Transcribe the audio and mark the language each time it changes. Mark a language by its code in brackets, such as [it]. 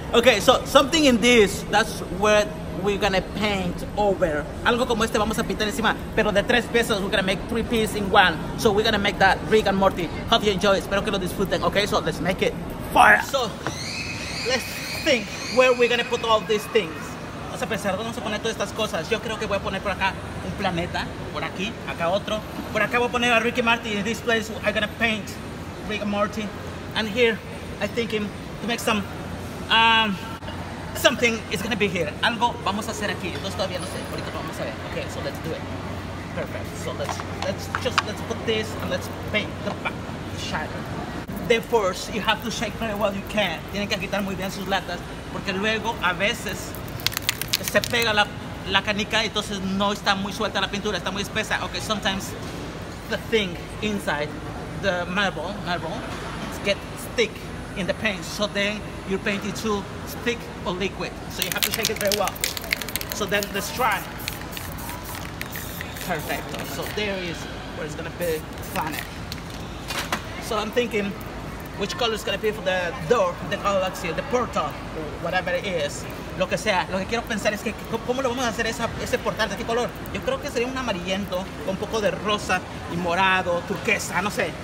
[en] Okay, so something in this, that's what we're gonna paint over. [es] Algo como este vamos a pintar encima, pero de tres pesos, [en] we're gonna make three pieces in one. So we're gonna make that Rick and Morty. Hope you enjoy, [es] espero que lo disfruten. [en] Okay, so let's make it. Fire! So, let's think where we're gonna put all these things. [es] Vamos a pensar dónde vamos a poner todas estas cosas. Yo creo que voy a poner por acá un planeta, por aquí, acá otro. Por acá voy a poner a Rick and Morty. [en] In this place, I'm gonna paint Rick and Morty. And here, I'm thinking, to make something is gonna be here. [es] Algo vamos a hacer aquí. Entonces todavía no sé. Ahorita vamos a ver. [en] Okay, so let's do it. Perfect. So let's put this and let's paint the back. Shatter. The first, you have to shake very well you can. [es] Tienen que agitar muy bien sus latas porque luego a veces se pega la canica y entonces no está muy suelta la pintura. Está muy espesa. [en] Okay, sometimes the thing inside the marble get stick in the paint, so then your paint is too thick or liquid, so you have to shake it very well. So then let's try. [es] Perfecto. [en] So there is where it's gonna be planet. So I'm thinking which color is gonna be for the door, the galaxy, the portal, whatever it is, [es] lo que sea. Lo que quiero pensar es que cómo lo vamos a hacer ese portal de qué color. Yo creo que sería un amarillento con un poco de rosa y morado, turquesa, no sé.